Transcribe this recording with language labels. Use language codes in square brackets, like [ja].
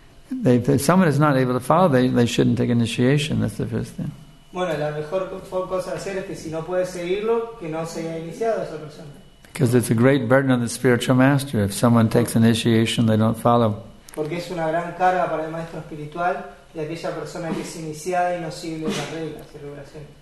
[en] If someone is not able to follow, they shouldn't take initiation. That's the first thing. [es] Bueno, la mejor cosa a hacer es que si no puede seguirlo, que no se haya iniciado esa persona. [en] Because it's a great burden on the spiritual master if someone takes initiation they don't follow. [es] Porque es una gran carga para el maestro espiritual de aquella persona que es iniciada y no sigue las reglas y regulaciones.